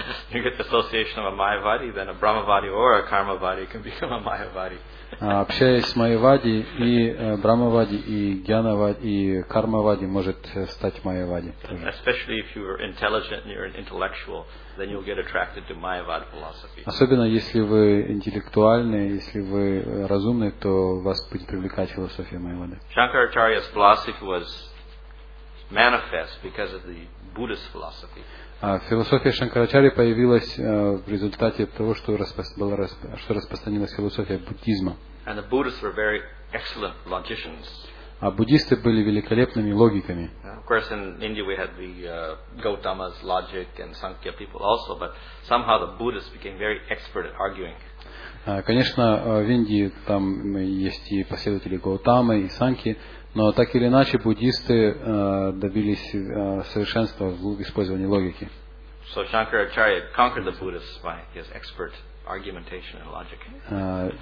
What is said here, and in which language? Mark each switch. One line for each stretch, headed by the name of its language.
English: You get the association of a Mayavadi, then a Brahmavadi or a Karmavadi can become a Mayavadi.
Russian: Общаясь с Майявади и Брахмавади и Гьянавади и Кармавади может стать Майявади.
English: Especially if you are intelligent and you're an intellectual, then you'll get attracted to Mayavad philosophy.
Russian: Особенно если вы интеллектуальны, если вы разумны, то вас будет привлекать философия Майявади.
English: Shankaracharya's philosophy was manifest because of the Buddhist philosophy.
Russian: Философия Шанкарачарьи появилась в результате того, что, что распространилась философия буддизма.
English: And the Buddhists were very excellent logicians.
Russian: А буддисты были великолепными логиками.
English: Of course, in India we had the Gautama's logic and Sankhya people also, but somehow the Buddhists became very expert at arguing.
Russian: Конечно, в Индии там есть и последователи Гаутамы, и Санки, но так или иначе буддисты добились совершенства в использовании логики.
English: So Shankaracharya conquered the Buddhists by his expert argumentation and logic.